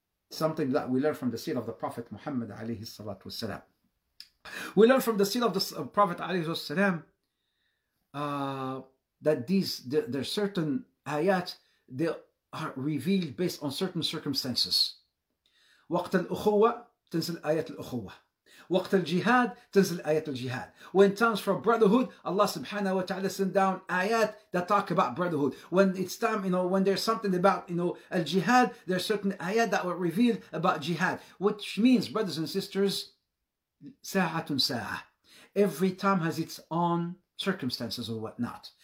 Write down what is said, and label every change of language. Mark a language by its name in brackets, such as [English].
[English] something that we learn from the seal of the Prophet Muhammad alayhi salatu wasalam. We learn from the seal of the Prophet alayhi salatu wasalam that these there are certain ayat they are revealed based on certain circumstances. [Arabic] وقت الأخوة تنزل آيات الأخوة. وقت الجهاد تنزل آيات الجهاد. [English] When times for brotherhood, Allah subhanahu wa ta'ala send down ayat that talk about brotherhood. When it's time, you know, when there's something about, you know, al-jihad, there are certain ayat that were revealed about jihad. Which means, brothers and sisters, [Arabic] ساعةٌ ساعة. [English] Every time has its own circumstances or whatnot.